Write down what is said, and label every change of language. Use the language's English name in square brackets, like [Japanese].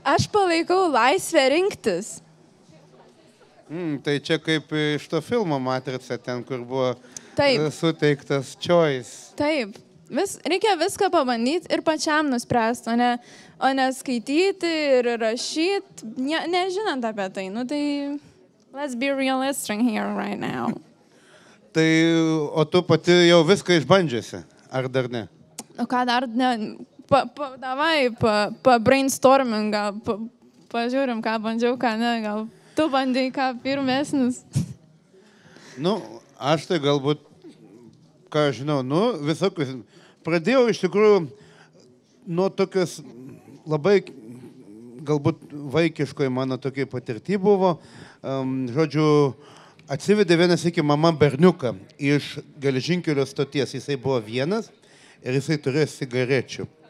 [Lithuanian] Aš palaikau laisvę rinktis. Tai čia kaip iš to filmo matrica, ten, kur buvo taip. Suteiktas choice. Taip. Reikia viską pabandyti ir pačiam nuspręsti, o ne skaityti ir rašyti, nežinant apie tai. Nu tai, [English] let's be realistic here right now. [Lithuanian] Tai, o tu pati jau viską išbandžiasi, ar dar ne? o ką dar, ne, davai, pabrainstormingą, pažiūrim, ką bandžiau, ką ne, gal tu bandėjai ką pirmesnis. Nu, aš tai galbūt, ką aš žinau, nu, visokius, pradėjau iš tikrųjų nuo tokios labai, galbūt vaikiškoj mano tokiai patirti buvo, žodžiu, atsivedė vienas iki mama berniuką iš geležinkelio stoties, jisai buvo vienas ir jisai turėjo cigarečių.